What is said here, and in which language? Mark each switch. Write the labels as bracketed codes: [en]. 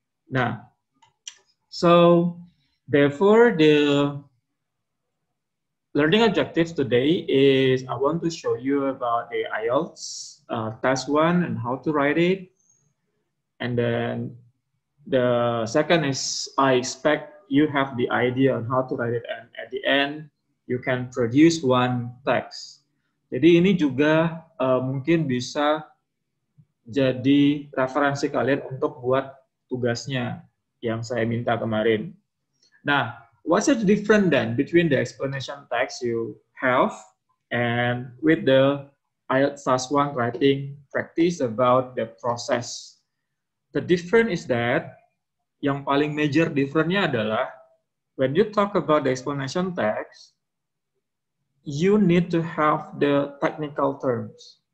[en] Nah, so therefore the learning objectives today is I want to show you about the IELTS Task 1 and how to write it. And then the second is I expect you have the idea on how to write it. And at the end, you can produce one text. [id] Jadi ini juga mungkin bisa jadi referensi kalian untuk buat tugasnya yang saya minta kemarin. [en] Nah, what's the difference then between the explanation text you have and with the IELTS Task 1 writing practice about the process The difference is that, [id] yang paling major difference-nya adalah, [en] when you talk about the explanation text, you need to have the technical terms.